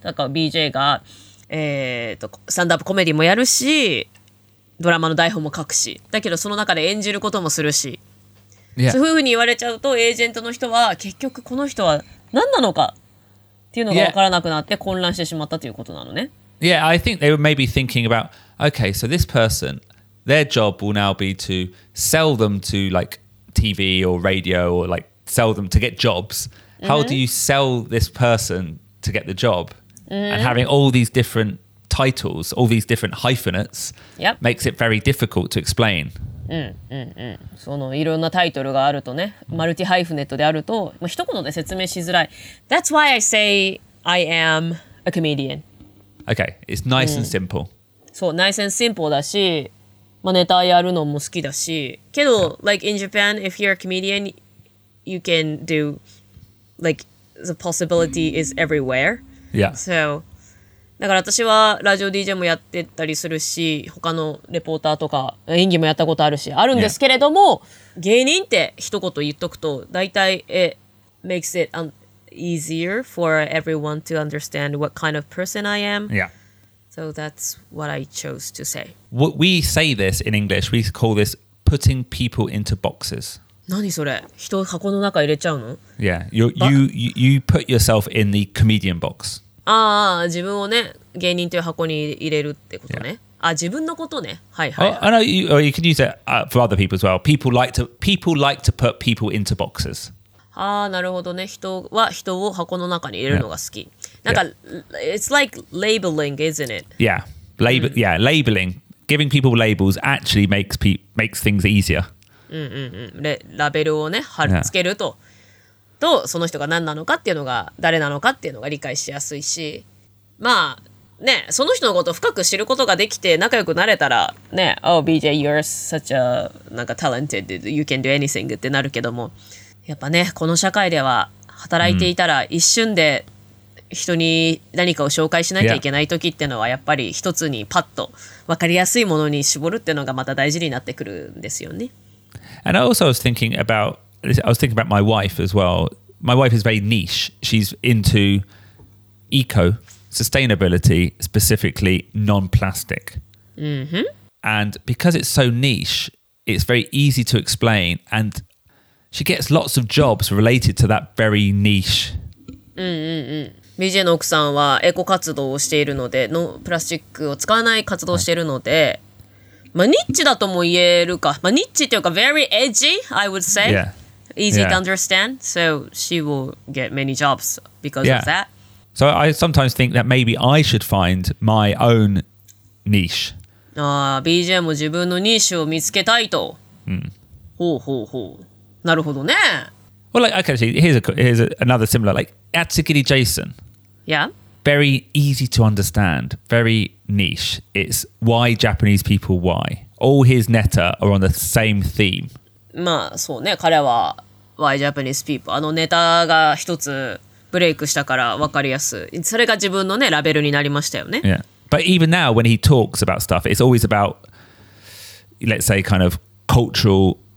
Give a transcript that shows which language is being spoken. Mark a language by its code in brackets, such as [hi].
[ja] だから BJ が、スタンドアップコメディもやるし、ドラマの台本も書くし、だけどその中で演じることもするし、 [en] Yeah. [ja] そういうふうに言われちゃうとエージェントの人は結局この人は何なのかっていうのが分からなくなって混乱してしまったということなのね。 [en] Yeah, I think they were maybe thinking about, okay, so this person, their job will now be to sell them to like TV or radio or like sell them to get jobs. How do you sell this person to get the job? And having all these different titles, all these different hyphenates, makes it very difficult to explain. [ja] そのいろんなタイトルがあるとね、マルティハイフネットであると、まあ、一言で説明しづらい。 [en] That's why I say I am a comedian. Okay, it's nice and simple.、 [ja] うん、そう、nice and simple だし、まあ、ネタやるのも好きだし、けど、 [en] like in Japan, if you're a comedian, you can do, like, the possibility is everywhere. Yeah. So... [ja] だから私はラジオ DJ もやってたりするし他のレポーターとか演技もやったことあるしあるんですけれども、yeah. 芸人って一言言っとくと大体 [en] it makes it easier for everyone to understand what kind of person I am Yeah. So that's what I chose to say What we say this in English we call this putting people into boxes [ja] 何それ人を箱の中入れちゃうの [en] Yeah. You put yourself in the comedian box [ja] ああ、自分をね、芸人という箱に入れるってことね。 [en] Yeah. [ja] あ、自分のことね。はいはい、はい。 [en] Oh, I know you can use it for other people as well. People like to put people into boxes. [ja] ああ、なるほどね。人は人を箱の中に入れるのが好き。 [en] なんか、it's like labeling, isn't it? Yeah. Labeling. Giving people labels actually makes things easier. [ja] ラベルをね、貼り付けると、と、その人が何なのかっていうのが、誰なのかっていうのが理解しやすいし、まあ、ね、その人のことを深く知ることができて仲良くなれたら、ね、 [en] Oh, BJ, you're such a, [ja] なんか [en] talented, you can do anything [ja] ってなるけども、やっぱね、この社会では働いていたら一瞬で人に何かを紹介しなきゃいけない時ってのはやっぱり一つにパッと分かりやすいものに絞るっていうのがまた大事になってくるんですよね。 [en] And I also was thinking about, my wife as well. My wife is very niche. She's into eco, sustainability, specifically non-plastic. Mm-hmm. And because it's so niche, it's very easy to explain andShe gets lots of jobs related to that very niche. [ja] BJ の奥さんはエコ活動をしているので、ノンプラスチックを使わない活動をしているので、まあニッチだとも言えるか、まあニッチっていうか [en] very edgy, I would say. Yeah. Easy to understand. So she will get many jobs because of that. So I sometimes think that maybe I should find my own niche. [ja] BJ も自分のニッシュを見つけたいと。ほうほうほう。なるほどね。 [en] Well, like, okay, here's another similar, like, Atsukiri Jason. Yeah? Very easy to understand, very niche. It's why Japanese people, why? All his netta are on the same theme. [ja] まあ、そうね。彼は、 [en] why Japanese people? [ja] あのネタが一つブレイクしたから分かりやすい。それが自分のね、ラベルになりましたよね。 [en] Yeah. But even now, when he talks about stuff, it's always about, let's say, kind of cultural...